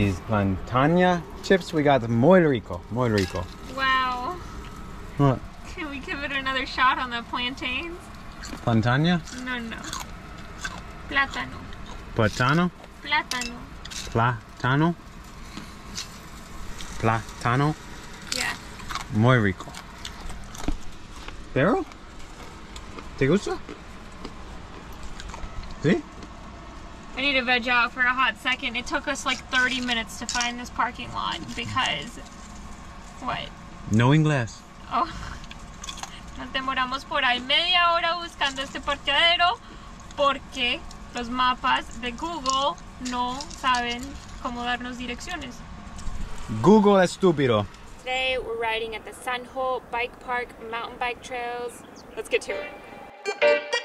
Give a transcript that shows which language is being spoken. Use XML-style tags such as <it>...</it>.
<es>Montaña chips,</es> <en>we got</en> <es>muy rico, muy rico. Wow.</es> <en>What? Can we give it another shot on the plantains?</en> <es>Plantaña? No, no. Plátano. Plátano? Plátano. Plátano? Plátano?</es> <en>Yeah.</en> <es>Muy rico. Pero? ¿Te gusta? ¿Sí?</es> <en>I need to veg out for a hot second. It took us like 30 minutes to find this parking lot because, what?</en> <es>No inglés. Oh. Nos demoramos por ahí media hora buscando este parqueadero porque los mapas de Google no saben cómo darnos direcciones. Google estúpido.</es> <en>Today we're riding at the San Ho Bike Park mountain bike trails. Let's get to it.</en>